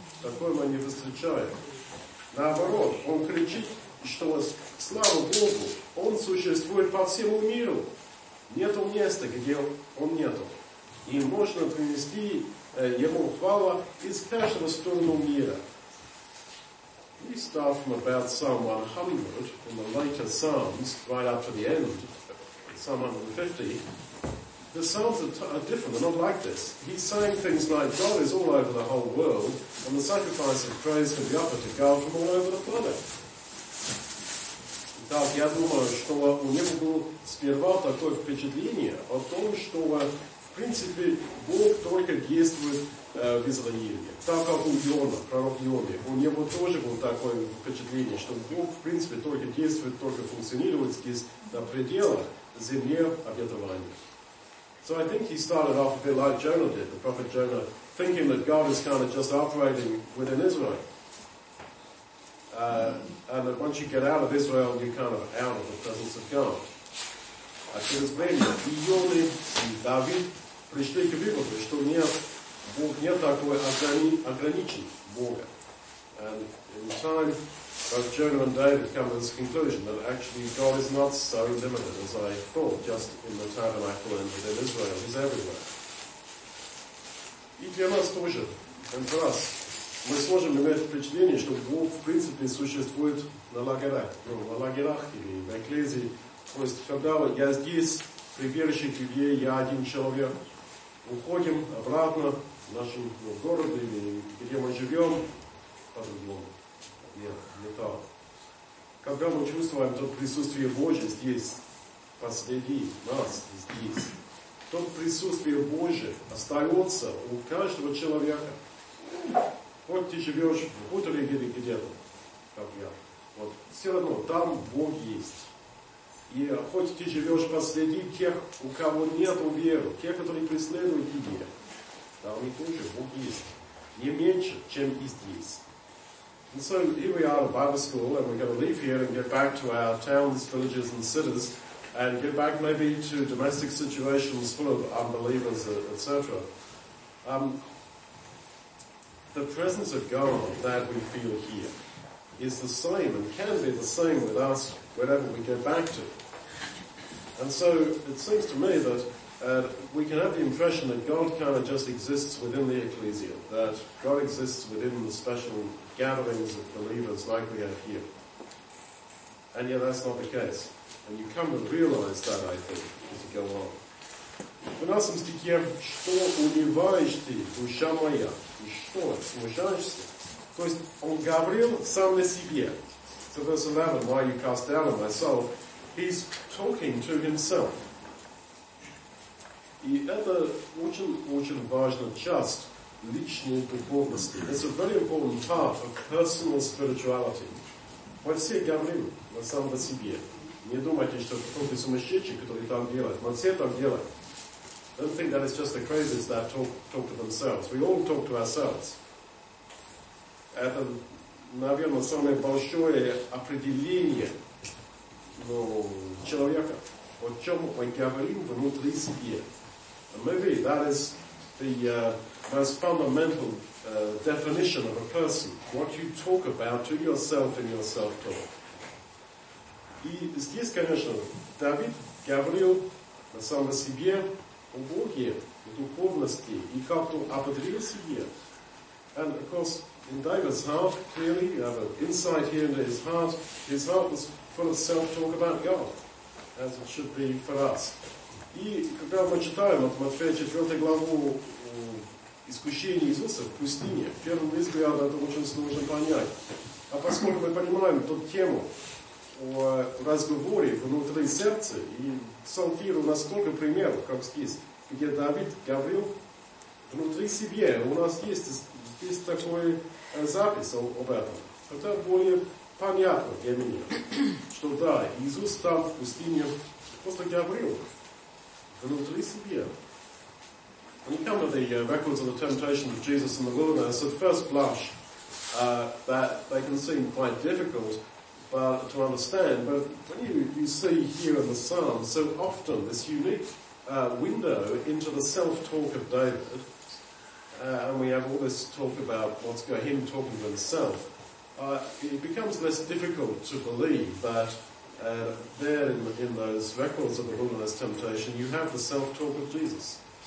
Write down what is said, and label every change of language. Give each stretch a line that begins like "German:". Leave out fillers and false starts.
Russian: Такое мы не встречаем. Наоборот, он кричит, что слава Богу, он существует по всему миру. Нету места, где он нету. И можно принести ему хвалу из каждого стороны мира.
English: We start from about Psalm 100 in the later Psalms, right up to the end, Psalm 150, The Psalms are different, they're not like this. He's saying things like, God is all over the whole world, and the sacrifice of praise can be offered to God from all over the planet.
Russian: Так, я думаю, что у него было сперва такое впечатление о том, что, в принципе, Бог только действует в Израиле. Так как у Иона, пророк Иона, у него тоже было такое впечатление, что Бог, в принципе, только действует, только функционирует здесь, на пределах земли обетования.
English: So I think he started off a bit like Jonah did, the prophet Jonah, thinking that God is kind of just operating within Israel. And that once you get out of Israel, you're kind of out of the presence of God.
Russian: А через время и Йоны, и Давид пришли к выводу, что нет, Бог не такой ограничен Бога.
English: And in time, both Jonah and David come to this conclusion that actually God is not so limited as I thought, just in the tabernacle and within Israel, he's everywhere.
Russian: И для нас тоже,
English: and for us,
Russian: мы сможем иметь впечатление, что Бог, в принципе, существует на лагерях, ну, на лагерях или в экклезии. То есть, когда вот я здесь, прибежище к тебе, я один человек, уходим обратно в наш, ну, город или где мы живем, по-другому. Нет, не так. Когда мы чувствуем то присутствие Божье здесь, посреди нас, здесь, то присутствие Божье остается у каждого человека. Хоть ты живешь в хуторе или где-то, как я, вот, все равно там Бог есть. И хоть ты живешь посреди тех, у кого нет веры, тех, которые преследуют тебя, там и тоже Бог есть. Не меньше, чем и здесь.
English: And so here we are at Bible school, and we're going to leave here and get back to our towns, villages and cities, and get back maybe to domestic situations full of unbelievers, etc. The presence of God that we feel here is the same and can be the same with us wherever we go back to. And so it seems to me that we can have the impression that God kind of just exists within the ecclesia, that God exists within the special gatherings of believers like we have here. And yet that's not the case. And you come to realize that, I think, as you go on.
Russian: В 12 стихе, что унываешь ты, душа моя, и что смущаешься? То есть он говорил сам на себе.
English: So verse 11, why you cast down on myself? He's talking to himself.
Russian: И это очень-очень важно, часть личной духовности.
English: It's a very important part of personal spirituality.
Russian: Мы все говорим на сам на себе. Не думайте, что кто-то сумасшедший, который там делает. Мы все там делаем.
English: I don't think that it's just the crazies that talk to themselves. We all talk to ourselves.
Russian: Это, наверное, самое большое определение, ну, человека, о чем мы говорим внутри себя.
English: And maybe that is the most fundamental definition of a person, what you talk about to yourself in your self-talk.
Russian: И здесь, конечно, Давид говорил на самом себе, о Боге, о духовности, и как-то ободрил себе.
English: And, of course, in David's heart, clearly, you have an insight here into his heart was full of self-talk about God, as it should be for us.
Russian: И когда мы читаем от Матфея 4 главу «Искушение Иисуса в пустыне», в первом взгляде это очень сложно понять. А поскольку мы понимаем ту тему, о разговоре внутри сердца, и Псалтиру настолько пример, как здесь, где Давид говорил внутри себе, у нас есть здесь такой запись об этом. Это более понятно для меня, что да, Иисус там в пустыне просто говорил внутри себе.
English: When you come to the records of the temptation of Jesus in the wilderness, at first blush, that they can seem quite difficult, but to understand, but when you see here in the Psalms so often this unique window into the self-talk of David, and we have all this talk about what's going, him talking to himself, it becomes less difficult to believe that there in those records of the wilderness temptation you have the self-talk of Jesus.